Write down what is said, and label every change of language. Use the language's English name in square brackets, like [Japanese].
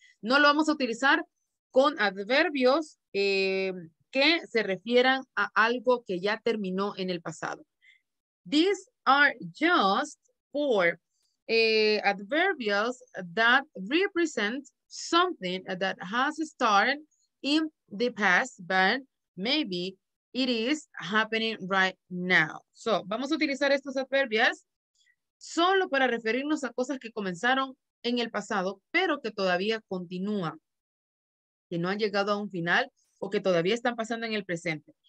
[Spanish] No lo vamos a utilizar con adverbios que se refieran a algo que ya terminó en el pasado. [English] These are just for adverbials that represent something that has started in the past, but maybe it is happening right now. [Spanish] So, vamos a utilizar estos adverbios solo para referirnos a cosas que comenzaron en el pasado, pero que todavía continúan, que no han llegado a un final o que todavía están pasando en el presente.